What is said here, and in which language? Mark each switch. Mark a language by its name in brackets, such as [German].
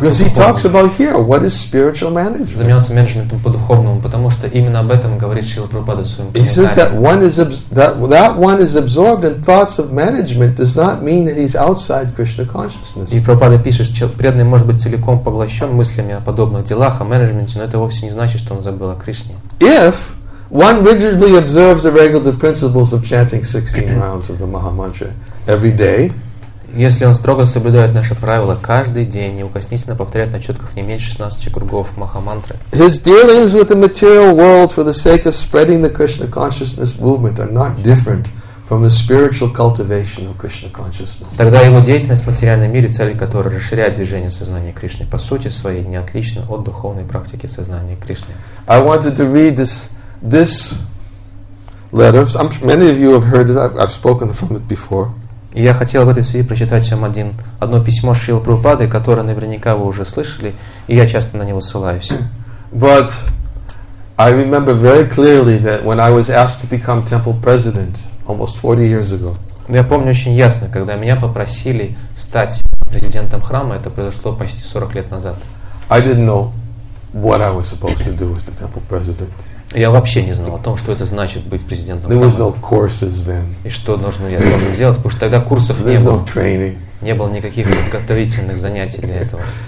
[English] Because he talks about here, what is spiritual management? [Russian] Заниматься менеджментом по духовному, потому что именно об этом говорит Шрила Прабхупада в своем комментарии. [English] He says that one is absorbed in thoughts of management does not mean that he's outside Krishna consciousness. [Russian] И Прабхупада пишет, что преданный может быть целиком поглощен мыслями о подобных делах, о менеджменте, но это вовсе не значит, что он забыл о Кришне. [English] If one rigidly observes the regular principles of chanting 16 rounds of the Maha Mantra every day, [Russian] если он строго соблюдает наши правила каждый день, неукоснительно повторяет на четках не меньше 16 кругов Маха Мантры, [English] his dealings with the material world for the sake of spreading the Krishna consciousness movement are not different from the spiritual cultivation of Krishna consciousness. [Russian] Тогда его деятельность в материальном мире, цель которой расширять движение сознания Кришны, по сути своей не отлична от духовной практики сознания Кришны. [English] I wanted to read this letter. Many of you have heard it. I've spoken from it before. [Russian] И я хотел в этой связи прочитать вам одно письмо Шрилы Прабхупады, которое наверняка вы уже слышали, и я часто на него ссылаюсь. [English] But I remember very clearly that when I was asked to become temple president almost 40 years ago. [Russian] Я помню очень ясно, когда меня попросили стать президентом храма, это произошло почти 40 лет назад. [English] I didn't know what I was supposed to do as the temple president. [Russian] Я вообще не знал о том, что это значит быть президентом храма. [English] There was no courses then. [Russian] И что нужно я должен делать, потому что тогда курсов не было. Не было никаких подготовительных занятий для этого.